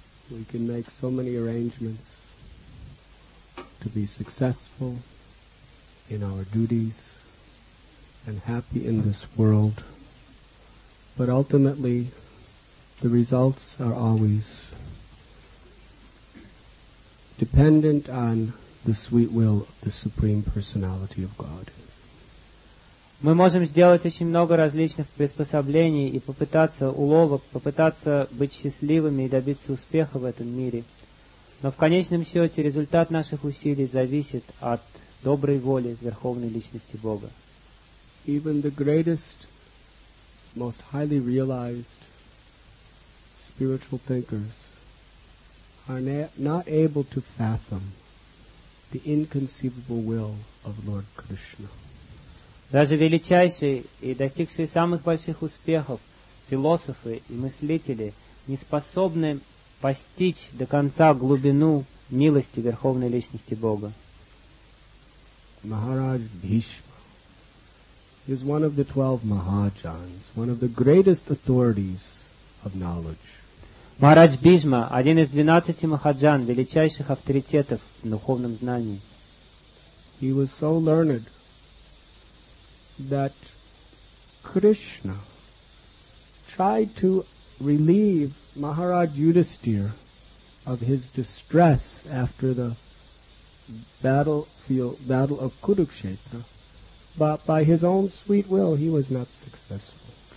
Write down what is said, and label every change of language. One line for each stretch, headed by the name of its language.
English: We can make so many arrangements to be successful in our duties and happy in this world, but ultimately the results are always dependent on the sweet will of the Supreme Personality of God.
Russian: Мы можем сделать очень много различных приспособлений и попытаться уловок, попытаться быть счастливыми и добиться успеха в этом мире. Но в конечном счете результат наших усилий зависит от доброй воли Верховной Личности Бога.
English: Even the greatest, most highly realized spiritual thinkers are not able to fathom the inconceivable will of Lord Krishna.
Russian: Даже величайшие и достигшие самых больших успехов философы и мыслители не способны постичь до конца глубину милости Верховной Личности Бога.
English: Махарадж Бхишма is one of the 12 Mahajans, one of the greatest authorities of knowledge.
Russian: Махарадж Бхишма – один из 12 Махаджан, величайших авторитетов в духовном знании.
English: He was so learned that Krishna tried to relieve Maharaj Yudhisthira of his distress after the battle of Kurukshetra, but by his own sweet will he was not successful.